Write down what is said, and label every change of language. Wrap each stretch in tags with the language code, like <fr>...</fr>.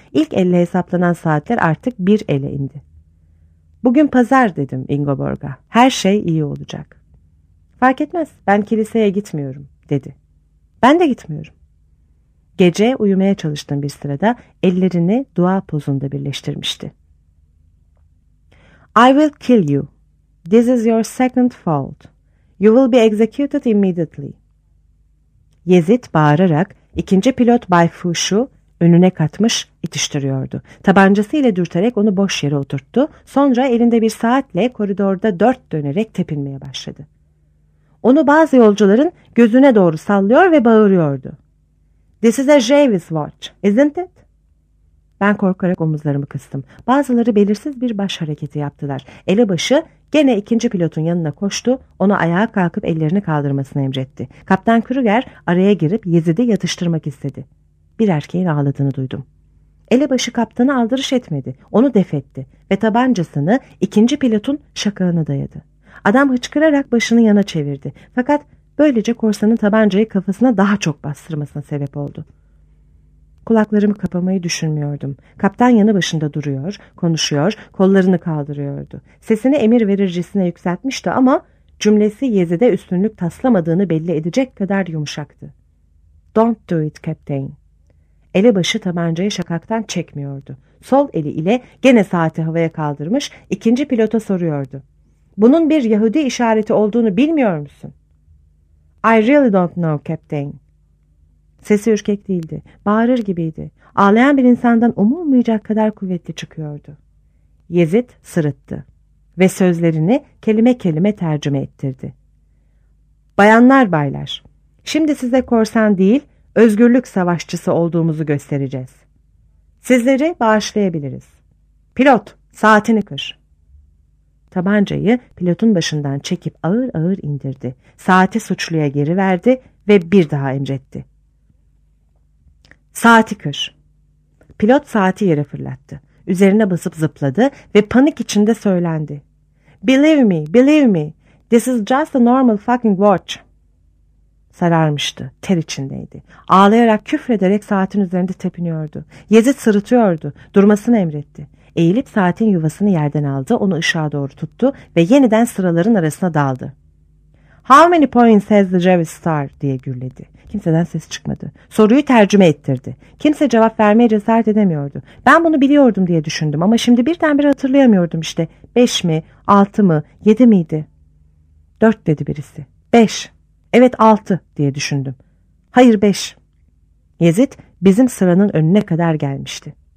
<tr>İlk elle hesaplanan saatler artık 1 ele indi. Bugün pazar dedim Ingeborg'a. Her şey iyi olacak. Fark etmez, ben kiliseye gitmiyorum dedi. Ben de gitmiyorum. Gece uyumaya çalıştığım bir sırada ellerini dua pozunda birleştirmişti.</tr> <en>I will kill you. This is your second fault. You will be executed immediately.</en> <tr>Yezid bağırarak ikinci pilot Bay Fuşu önüne katmış itiştiriyordu. Tabancası ile dürterek onu boş yere oturttu. Sonra elinde bir saatle koridorda 4 dönerek tepinmeye başladı. Onu bazı yolcuların gözüne doğru sallıyor ve bağırıyordu.</tr> <en>This is a Javis watch, isn't it?</en> <tr>Ben korkarak omuzlarımı kıstım. Bazıları belirsiz bir baş hareketi yaptılar. Elebaşı gene ikinci pilotun yanına koştu. Ona ayağa kalkıp ellerini kaldırmasını emretti. Kaptan Kruger araya girip Yezid'i yatıştırmak istedi. Bir erkeğin ağladığını duydum. Elebaşı kaptanı aldırış etmedi. Onu def etti ve tabancasını ikinci pilotun şakağına dayadı. Adam hıçkırarak başını yana çevirdi. Fakat böylece korsanın tabancayı kafasına daha çok bastırmasına sebep oldu. Kulaklarımı kapamayı düşünmüyordum. Kaptan yanı başında duruyor, konuşuyor, kollarını kaldırıyordu. Sesini emir verircesine yükseltmişti ama cümlesi Yezid'e üstünlük taslamadığını belli edecek kadar yumuşaktı.</tr> <en>Don't do it, Captain.</en> <tr>Elebaşı tabancayı şakaktan çekmiyordu. Sol eli ile gene saati havaya kaldırmış, ikinci pilota soruyordu. Bunun bir Yahudi işareti olduğunu bilmiyor musun?</tr> <en>I really don't know, Captain.</en> <tr>Sesi ürkek değildi, bağırır gibiydi. Ağlayan bir insandan umulmayacak kadar kuvvetli çıkıyordu. Yezid sırıttı ve sözlerini kelime kelime tercüme ettirdi. Bayanlar, baylar, şimdi size korsan değil, özgürlük savaşçısı olduğumuzu göstereceğiz. Sizleri bağışlayabiliriz. Pilot, saatini kır. Tabancayı pilotun başından çekip ağır ağır indirdi. Saati suçluya geri verdi ve bir daha emretti. Saati kır. Pilot saati yere fırlattı. Üzerine basıp zıpladı ve panik içinde söylendi.</tr> <en>Believe me, believe me. This is just a normal fucking watch.</en> <tr>Sararmıştı, ter içindeydi. Ağlayarak, küfrederek saatin üzerinde tepiniyordu. Yezid sırıtıyordu, durmasını emretti. Eğilip saatin yuvasını yerden aldı, onu ışığa doğru tuttu ve yeniden sıraların arasına daldı.</tr> <en>How many points has the Javis Star?</en> <tr>Diye gürledi. Kimseden ses çıkmadı. Soruyu tercüme ettirdi. Kimse cevap vermeye cesaret edemiyordu. Ben bunu biliyordum diye düşündüm ama şimdi birdenbire hatırlayamıyordum işte. 5 mi, 6 mı, 7 miydi? Dört dedi birisi. Beş. Evet altı diye düşündüm. Hayır beş. Yezid bizim sıranın önüne kadar gelmişti.</tr>